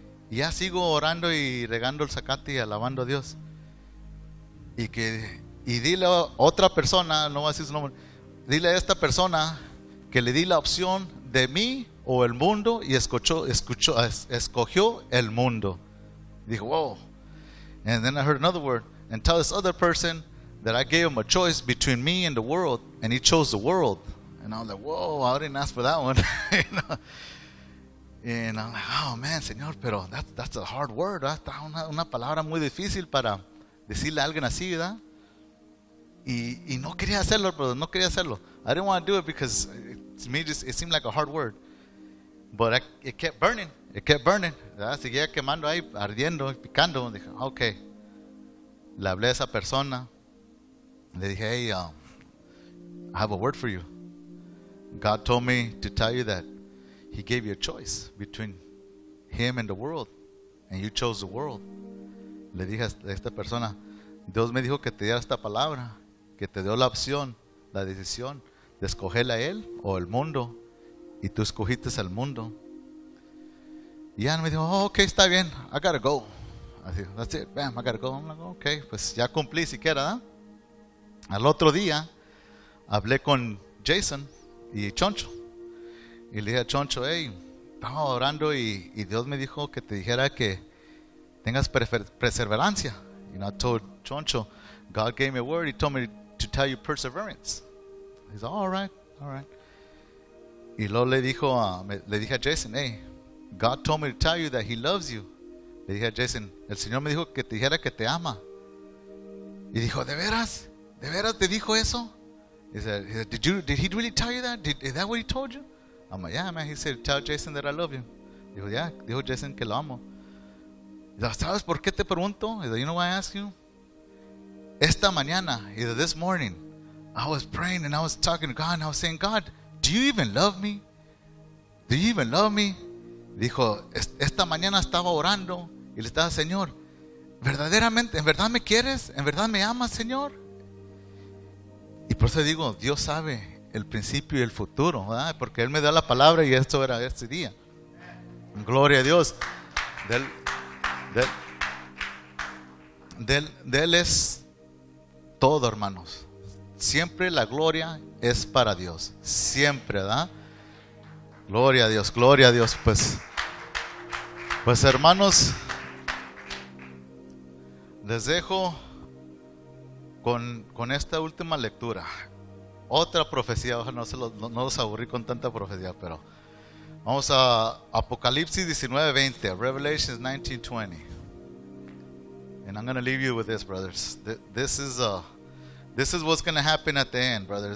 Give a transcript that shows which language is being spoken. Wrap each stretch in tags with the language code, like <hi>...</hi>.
<es>Y ya sigo orando y regando el zacate y alabando a Dios. Y dile a otra persona, no voy a decir su nombre, dile a esta persona que le di la opción de mí o el mundo y escogió el mundo. Dijo,</es> <en>wow. And then I heard another word. And tell this other person that I gave him a choice between me and the world, and he chose the world. And I was like, whoa, I didn't ask for that one. And I'm like, oh man,</en> <es>Señor, pero</es> <en>that's a hard word.</en> <es>Una palabra muy difícil para decirle a alguien así, ¿verdad? Y no quería hacerlo, brother. No quería hacerlo.</es> <en>I didn't want to do it because it seemed like a hard word. But it kept burning. It kept burning.</en> <es>¿Verdad? Seguía quemando ahí, ardiendo, picando. Dije,</es> <en>okay.</en> <es>Le hablé a esa persona. Le dije,</es> <en>hey, I have a word for you. God told me to tell you that he gave you a choice between him and the world, and you chose the world.</en> <es>Le dije a esta persona, Dios me dijo que te diera esta palabra, que te dio la opción, la decisión de escoger a él o el mundo, y tú escogiste al mundo. Y Ana me dijo,</es> <en>oh, okay,</en> <es>está bien,</es> <en>I gotta go.</en> <es>Así,</es> <en>that's it, bam, I gotta go. I'm like, okay,</en> <es>pues ya cumplí siquiera, ¿no? Al otro día, hablé con Jason y Choncho. Y le dije a Choncho, hey, estaba orando y Dios me dijo que te dijera que tengas perseverancia.</es> <en>Y I told Choncho, God gave me a word, he told me to tell you perseverance. He's all right, all right.</en> <es>Y luego le dije a Jason,</es> <en>hey, God told me to tell you that he loves you.</en> <es>Le dije a Jason, el Señor me dijo que te dijera que te ama. Y dijo, ¿de veras? ¿De veras te dijo eso?</es> <en>He said, did he really tell you that? Is that what he told you? I'm like, yeah, man. He said, tell Jason that I love you.</en> <es>Dijo, yeah, dijo Jason que lo amo. ¿Sabes por qué te pregunto?</es> <en>He said, you know why I ask you?</en> <es>Esta mañana,</es> <en>either this morning, I was praying and I was talking to God and I was saying, God, do you even love me? Do you even love me?</en> <es>Dijo, esta mañana estaba orando y le estaba, Señor, verdaderamente, ¿en verdad me quieres? ¿En verdad me amas, Señor? Y por eso digo, Dios sabe el principio y el futuro, ¿verdad? Porque Él me da la palabra y esto era este día. Gloria a Dios. De él es todo, hermanos. Siempre la gloria es para Dios. Siempre, ¿verdad? Gloria a Dios, gloria a Dios. Pues hermanos, les dejo con esta última lectura. Otra profecía, ojalá no los aburrí con tanta profecía, pero vamos a Apocalipsis 19:20, Revelations 19:20.</es> <en>And I'm going to leave you with this, brothers. This is what's going to happen at the end, brothers.</en>